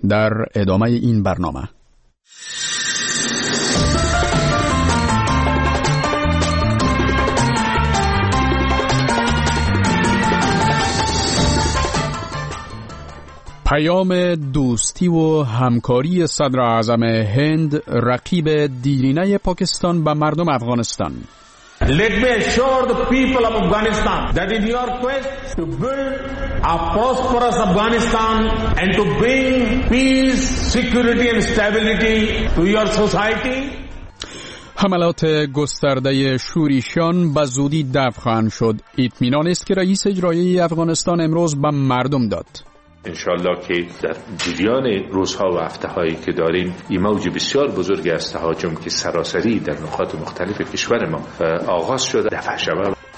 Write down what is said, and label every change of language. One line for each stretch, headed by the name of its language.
Persian: در ادامه این برنامه پیام دوستی و همکاری صدر اعظم هند، رقیب دیرینه پاکستان به مردم افغانستان.
English: Let me assure the people of Afghanistan that in your quest to build a prosperous Afghanistan and to bring peace, security and stability to your society.
Persian: حملات گسترده شورشیان به زودی دفع خواهند شد. اطمینان است که رئیس اجرایی افغانستان امروز به مردم داد. انشالله که در جریان روزها و هفته هایی که داریم این موج بسیار بزرگ از تهاجم که سراسری در نقاط مختلف کشور ما آغاز شده دفع شود.